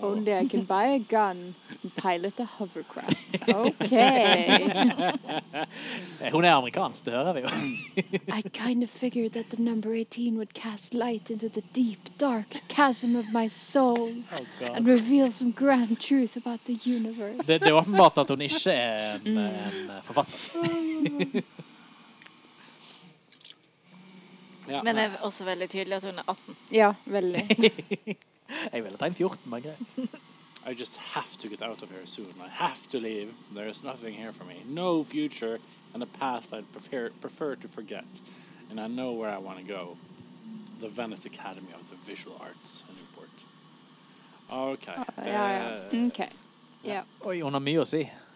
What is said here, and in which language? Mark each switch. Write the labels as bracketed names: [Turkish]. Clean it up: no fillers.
[English] Only I can buy a gun and pilot a hovercraft. Okay. [Norwegian] Hun er amerikansk, det hører vi jo. [English] I kind of figured that the number 18 would cast light into the deep, dark chasm of my soul. Oh, God. And reveal some grand truth about the universe. [Norwegian] Det er åpenbart at hun ikke er en forfatter. Ja. Men det er også veldig tydelig at hun er 18. Ja, veldig. Jeg ville tegn 14, men greit. [English] I just have to get out of here soon. I have to leave. There is nothing here for me. No future and a past I'd prefer to forget. And I know where I want to go. The Venice Academy of the Visual Arts in Newport. Okay. Okay. Yeah. [Norwegian] Oi, hun har mye å si.